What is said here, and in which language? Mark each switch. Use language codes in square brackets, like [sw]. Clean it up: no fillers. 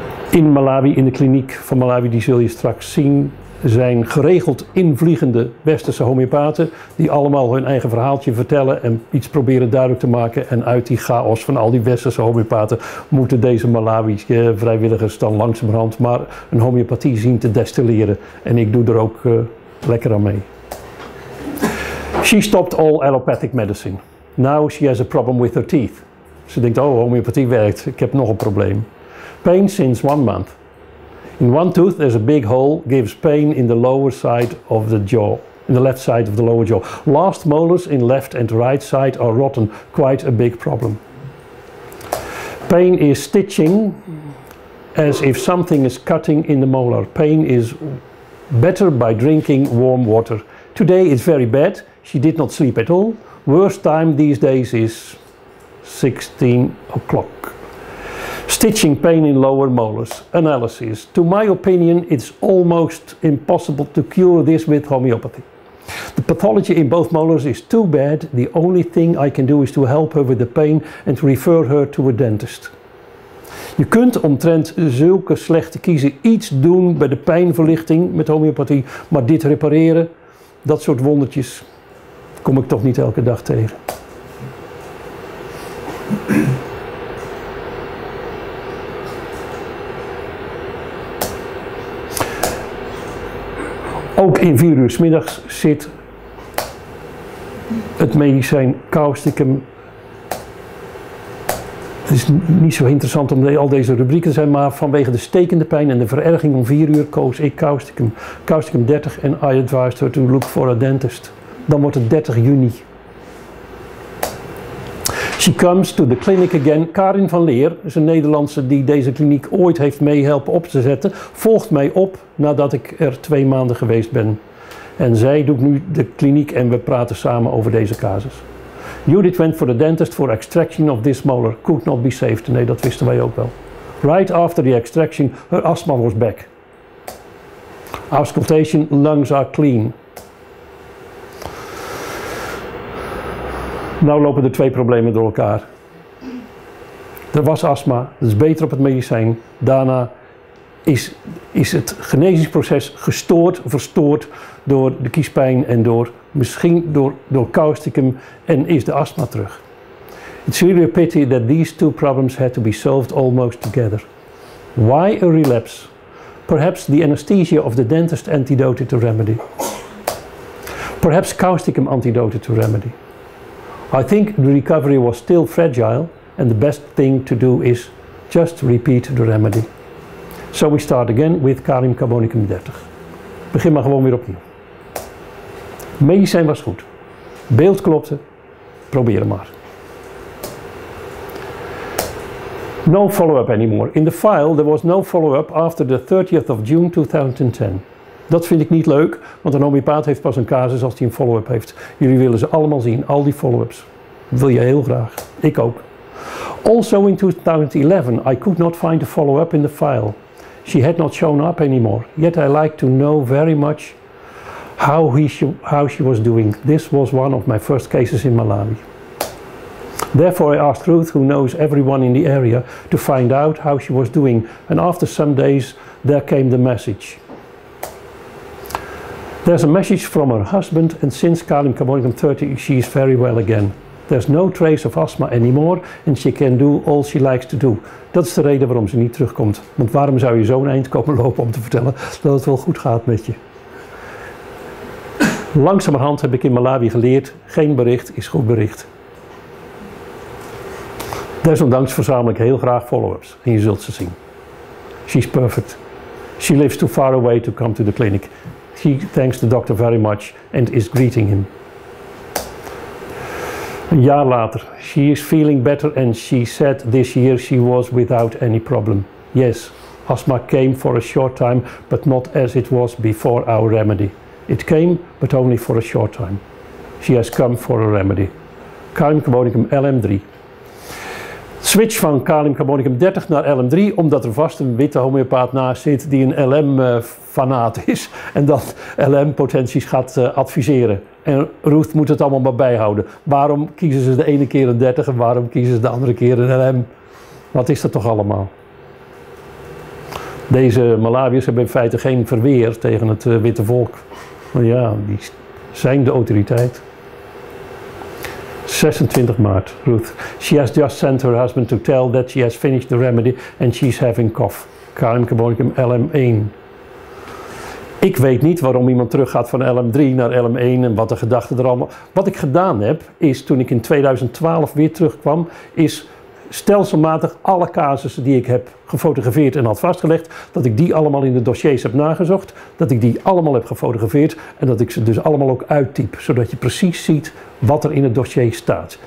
[nl] In Malawi, in de kliniek van Malawi, die zul je straks zien, zijn geregeld invliegende westerse homeopaten die allemaal hun eigen verhaaltje vertellen en iets proberen duidelijk te maken. En uit die chaos van al die westerse homeopaten moeten deze Malawische vrijwilligers dan langzamerhand maar een homeopathie zien te destilleren. En ik doe er ook lekker aan mee. [en] She stopped all allopathic medicine. Now she has a problem with her teeth. [nl] Ze denkt, oh, homeopathie werkt. Ik heb nog een probleem. [en] Pain since 1 month. In one tooth there's a big hole, gives pain in the lower side of the jaw, in the left side of the lower jaw. Last molars in left and right side are rotten, quite a big problem. Pain is stitching as if something is cutting in the molar. Pain is better by drinking warm water. Today it's very bad, she did not sleep at all. Worst time these days is 16 o'clock. Stitching pain in lower molars. Analysis. To my opinion, it's almost impossible to cure this with homeopathy. The pathology in both molars is too bad. The only thing I can do is to help her with the pain and to refer her to a dentist. [nl] Je kunt omtrent zulke slechte kiezen iets doen bij de pijnverlichting met homeopathie, maar dit repareren, dat soort wondertjes, kom ik toch niet elke dag tegen. Ook in 4 uur 's middags zit het medicijn causticum. Het is niet zo interessant om al deze rubrieken te zijn, maar vanwege de stekende pijn en de vererging om 4 uur koos ik causticum. [en] Causticum 30 en I advised her to look for a dentist. [nl] Dan wordt het 30 juni. [en] She comes to the clinic again. [nl] Karin van Leer is een Nederlandse die deze kliniek ooit heeft meehelpen op te zetten. Volgt mij op nadat ik er 2 maanden geweest ben. En zij doet nu de kliniek en we praten samen over deze casus. [en] Judith went for the dentist for extraction of this molar. Could not be saved. [nl] Nee, dat wisten wij ook wel. [en] Right after the extraction, her asthma was back. Auscultation, lungs are clean. [nl] Nou lopen er 2 problemen door elkaar. Er was astma, dat is beter op het medicijn. Daarna is het genezingsproces gestoord, verstoord door de kiespijn en misschien door causticum en is de astma terug. [en] It's really a pity that these 2 problems had to be solved almost together. Why a relapse? Perhaps the anesthesia of the dentist antidoted to remedy. Perhaps causticum antidoted to remedy. I think the recovery was still fragile and the best thing to do is just repeat the remedy. So we start again with kalium carbonicum 30. [nl] Begin maar gewoon weer opnieuw. Medicijn was goed. Beeld klopte. Probeer het maar. [en] No follow-up anymore. In the file there was no follow-up after the 30th of June 2010. [nl] Dat vind ik niet leuk, want een homeopaat heeft pas een casus als hij een follow-up heeft. Jullie willen ze allemaal zien, al die follow-ups. Dat wil je heel graag. Ik ook. [en] Also in 2011, I could not find a follow-up in the file. She had not shown up anymore. Yet I like to know very much how she was doing. This was one of my first cases in Malawi. Therefore I asked Ruth, who knows everyone in the area, to find out how she was doing. And after some days, there came the message. There's a message from her husband, and since kalium carbonicum 30, she is very well again. There's no trace of asthma anymore, and she can do all she likes to do. [nl] Dat is de reden waarom ze niet terugkomt. Want waarom zou je zo'n eind komen lopen om te vertellen dat het wel goed gaat met je? Langzamerhand heb ik in Malawi geleerd, geen bericht is goed bericht. Desondanks verzamel ik heel graag follow-ups, en je zult ze zien. [en] She's perfect. She lives too far away to come to the clinic. She thanks the doctor very much and is greeting him. [nl] Een jaar later, [en] she is feeling better and she said this year she was without any problem. Yes, asthma came for a short time, but not as it was before our remedy. It came, but only for a short time. She has come for a remedy. Kalium carbonicum LM3. [nl] Switch van kalium carbonicum 30 naar LM3, omdat er vast een witte homeopaat naast zit die een LM-fanaat is en dat LM-potenties gaat adviseren. En Ruth moet het allemaal maar bijhouden. Waarom kiezen ze de ene keer een 30 en waarom kiezen ze de andere keer een LM? Wat is dat toch allemaal? Deze Malawiërs hebben in feite geen verweer tegen het witte volk. Maar ja, die zijn de autoriteit. 26 maart, Ruth. [en] She has just sent her husband to tell that she has finished the remedy and she's having cough. Kalium carbonicum LM1. [nl] Ik weet niet waarom iemand teruggaat van LM3 naar LM1 en wat de gedachten er allemaal... Wat ik gedaan heb, is toen ik in 2012 weer terugkwam, is stelselmatig alle casussen die ik heb gefotografeerd en had vastgelegd, dat ik die allemaal in de dossiers heb nagezocht, dat ik die allemaal heb gefotografeerd en dat ik ze dus allemaal ook uittyp, zodat je precies ziet wat er in het dossier staat.